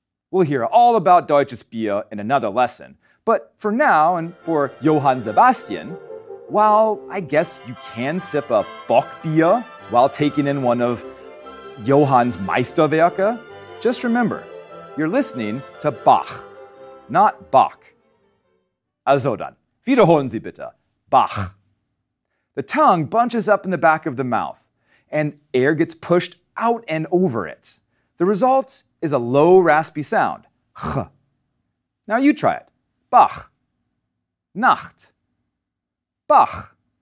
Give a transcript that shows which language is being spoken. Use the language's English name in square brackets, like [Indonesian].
[English] We'll hear all about [German] deutsches Bier [English] in another lesson. But for now, and for Johann Sebastian, while I guess you can sip a Bockbier while taking in one of Johann's Meisterwerke, just remember, you're listening to Bach, not Bach. [German] Also dann, wiederholen Sie bitte, Bach. [English] The tongue bunches up in the back of the mouth, and air gets pushed out and over it. The result is a low, raspy sound, ch. Now you try it, Bach, Nacht. Bach.